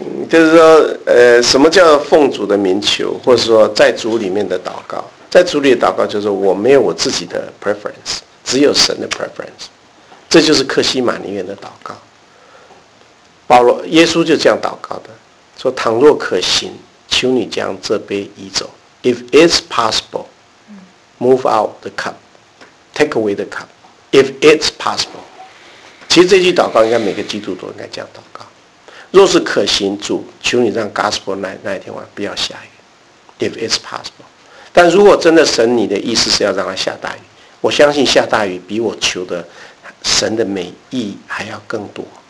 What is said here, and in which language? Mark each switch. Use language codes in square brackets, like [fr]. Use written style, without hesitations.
[zh] 就是说，什么叫奉主的名求，或者说在主里面的祷告？在主里的祷告就是我没有我自己的 preference， 只有神的 preference， 这就是克西马尼园的祷告。保罗、耶稣就这样祷告的，说：“倘若可行，求你将这杯移走。 [en] If it's possible, move out the cup, take away the cup. If it's possible， [zh] 其实这句祷告应该每个基督徒应该这样祷告。” 若是可行，主，求你让 Gospel 那一天晚上不要下雨。 [en] If it's possible， [zh] 但如果真的神你的意思是要让它下大雨，我相信下大雨比我求的神的美意还要更多。